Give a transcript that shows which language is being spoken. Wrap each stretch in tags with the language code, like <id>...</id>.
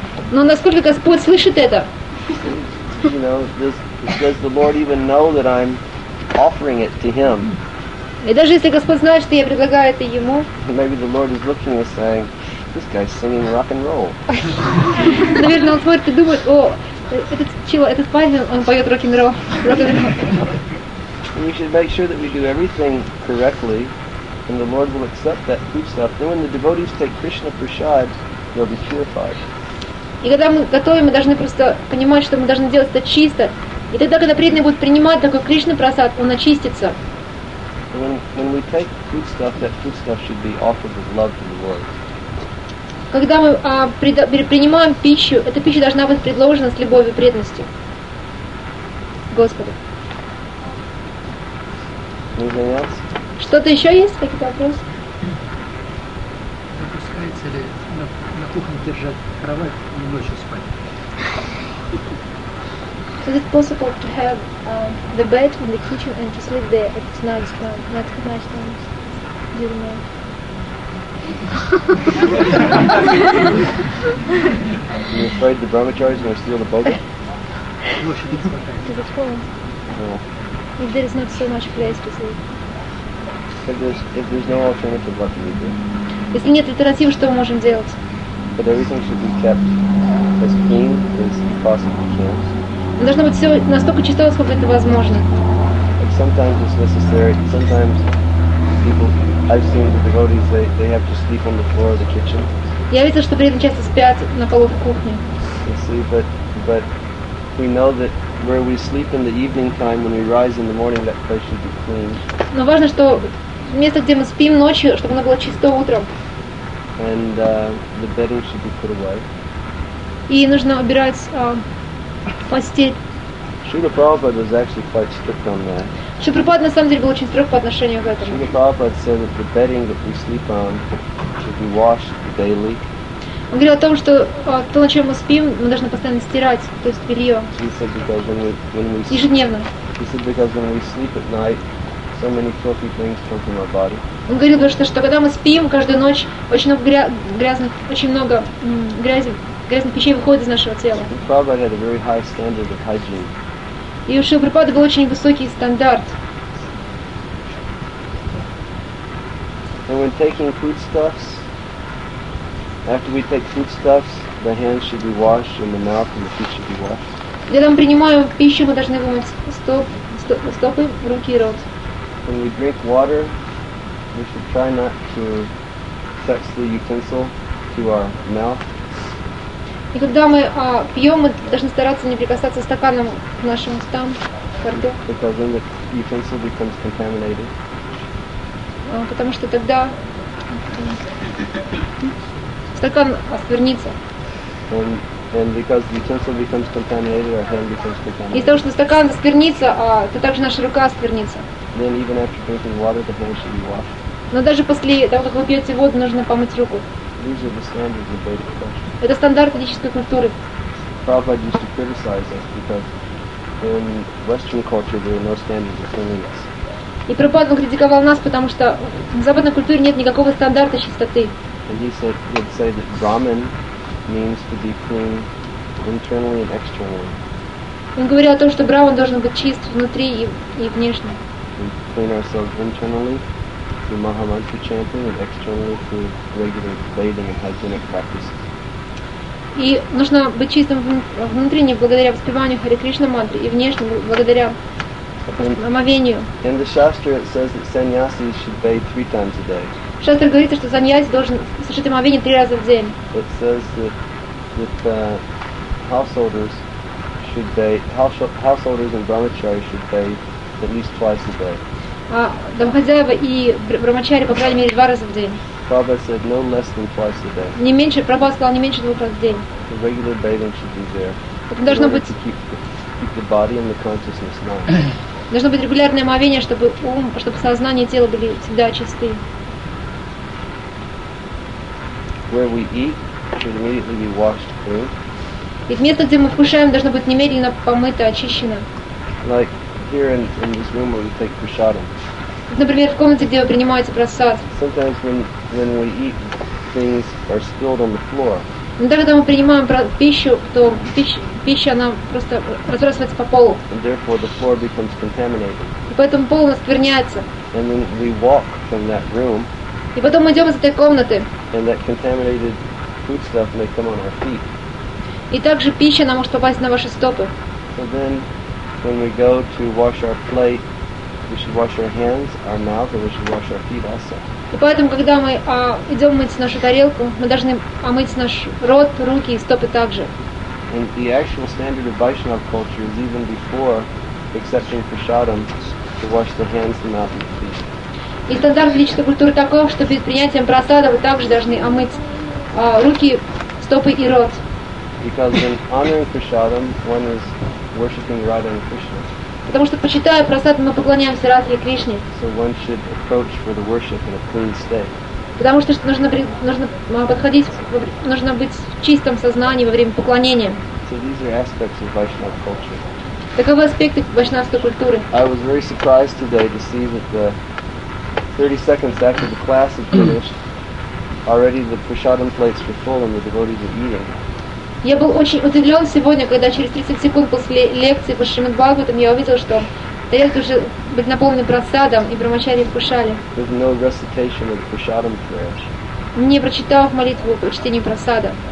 <ru>Но насколько Господь слышит это?</ru> <en>You know, does the Lord even know that I'm offering it to Him?</en> <ru>И даже если Господь знает, что я предлагаю это Ему,</ru> <en>maybe the Lord is looking and saying, this guy's singing rock and roll.</en> <ru>Наверное, он смотрит и думает: о, этот парень, он поет рок-н-ролл.</ru> <en>We should make sure that we do everything correctly, and the Lord will accept that foodstuff. Then when the devotees take Krishna prasad, they'll be purified.</en> <ru>И когда мы готовим, мы должны просто понимать, что мы должны делать это чисто. И тогда, когда преданный будет принимать такой Кришна прасад, он очистится.</ru> <en>When we take foodstuff, that foodstuff should be offered with love to the Lord.</en> <ru>Когда мы принимаем пищу, эта пища должна быть предложена с любовью и преданностью Господу.</ru> <en>Anything else?</en> <ru>Что-то еще есть? Какие-то вопросы? Допускается ли на кухне держать кровать и ночью спать?</ru> <en>Is it possible to have the bed in the kitchen and to sleep there at night time? Not at night time, during night. Are you afraid the brahmacharis are going to steal the boga? Is it cold? No. If there is not so much place to sleep. If there's no alternative, what can we do?</en> <ru>Если нет альтернативы, что мы можем делать?</ru> <en>But everything should be kept as clean as you possibly can.</en> <ru>Должно быть все настолько чисто, насколько это возможно.</ru> <en>Sometimes it's necessary. Sometimes people, I've seen the devotees, they have to sleep on the floor of the kitchen.</en> <ru>Я видел, что преданные часто спят на полу в кухне.</ru> <en>You see, but we know that where we sleep in the evening time, when we rise in the morning, that place should be clean.</en> <ru>Но важно, что место, где мы спим ночью, чтобы оно было чисто утром.</ru> <en>And the bedding should be put away.</en> <ru>И нужно убирать постель.</ru> <en>Srila Prabhupada was actually quite strict on that.</en> <ru>Srila Prabhupada на самом деле был очень строг по отношению к этому.</ru> <en>Srila Prabhupada said that the bedding that we sleep on should be washed daily.</en> <ru>Он говорил о том, что то, на чем мы спим, мы должны постоянно стирать, то есть белье.</ru> <en>He said because when we sleep,</en> <ru>ежедневно.</ru> <en>He said because when we sleep at night, so many filthy things come from our body.</en> <ru>Он говорил, что когда мы спим, каждую ночь очень много грязных, очень много грязи. Грязных пищей выходит из нашего тела.</ru> <en>Prabhupada had a very high standard of hygiene.</en> <ru>И у Шрилы Прабхупады был очень высокий стандарт.</ru> <en>And when taking foodstuffs, after we take foodstuffs, the hands should be washed and the mouth and the feet should be washed.</en> <ru>Когда мы принимаем пищу, мы должны вымыть стопы, руки и рот.</ru> <en>When we drink water, we should try not to touch the utensil to our mouth.</en> <ru>И когда мы пьем, мы должны стараться не прикасаться стаканом к нашим устам, к рту.</ru> <en>Because then the utensil becomes contaminated.</en> <ru>Потому что тогда стакан осквернится.</ru> <en>And because the utensil becomes contaminated, our hand becomes contaminated.</en> <ru>Из-за того, что стакан осквернится, то также наша рука осквернится.</ru> <en>Then even after drinking water, the hand should be washed.</en> <ru>Но даже после того, как вы пьете воду, нужно помыть руку.</ru> <en>These are the standards of Vedic culture.</en> <ru>Это стандарт ведической культуры.</ru> <en>Prabhupada used to criticize us because in Western culture there are no standards of cleanliness.</en> <ru>И Прабхупада критиковал нас, потому что в западной культуре нет никакого стандарта чистоты.</ru> <en>And he said, he'd say that Brahman means to be clean internally and externally.</en> <ru>Он говорил о том, что Брахман должен быть чист внутри и внешне.</ru> <en>We clean ourselves internally through Mahamantra chanting and externally through regular bathing and hygienic practices.</en> <ru>И нужно быть чистым внутренне благодаря воспеванию Харе Кришна мантры и внешне благодаря омовению.</ru> <en>In the Shastra it says that sannyasis should bathe three times a day.</en> <ru>Шастра говорит, что саньяси должен совершить омовение три раза в день.</ru> <en>It says that householders should bathe, householders and brahmachari should bathe at least twice a day.</en> <ru>Домохозяева и брахмачари по крайней мере два раза в день.</ru> <en>Prabhupada said no less than twice a day.</en> <ru>Не меньше, Прабхупада сказал не меньше двух раз в день.</ru> <en>The regular bathing should be there.</en> <ru>Это должно быть.</ru> <en>Keep the body and the consciousness nice.</en> <ru>Должно быть регулярное омовение, чтобы ум, чтобы сознание и тело были всегда чисты.</ru> <en>Where we eat should immediately be washed clean.</en> <ru>И место, где мы вкушаем, должно быть немедленно помыто, очищено.</ru> <en>Like here in this room where we take prasadam.</en> <ru>Например, в комнате, где вы принимаете прасад.</ru> <en>Sometimes when we eat, things are spilled on the floor.</en> <ru>Иногда, когда мы принимаем пищу, то пища она просто разбрасывается по полу.</ru> <en>And therefore the floor becomes contaminated.</en> <ru>И поэтому пол оскверняется.</ru> <en>And then we walk from that room.</en> <ru>И потом мы идем из этой комнаты.</ru> <en>And that contaminated food stuff may come on our feet.</en> <ru>И также пища она может попасть на ваши стопы.</ru> <en>So then when we go to wash our plate, we should wash our hands, our mouth, and we should wash our feet also.</en> <ru>И поэтому, когда мы идем мыть нашу тарелку, мы должны омыть наш рот, руки и стопы также.</ru> <en>And the actual standard of Vaishnava culture is even before accepting prasadam to wash the hands, the mouth, and the feet.</en> <ru>И стандарт личной культуры таков, что перед принятием прасада вы также должны омыть руки, стопы и рот.</ru> <en>Because in honoring prasadam, one is worshipping Radha and Krishna.</en> <ru>Потому что, почитая прасад, мы поклоняемся Радхе и Кришне.</ru> <en>So one should approach for the worship in a clean state.</en> <ru>Потому что нужно быть в чистом сознании во время поклонения.</ru> <en>So these are aspects of Vaishnava culture.</en> <ru>Таковы аспекты вайшнавской культуры.</ru> <en>I was very surprised today to see that the 30 seconds after the class had finished, already the prasadam plates were full and the devotees were eating.</en> <ru>Я был очень удивлен сегодня, когда через 30 секунд после лекции по Шримад Бхагаватам я увидел, что тарелки уже были наполнены прасадом, и брахмачари вкушали.</ru> <en>No recitation of prasadam prayers.</en> <ru>Не прочитав молитву по чтению прасада.</ru>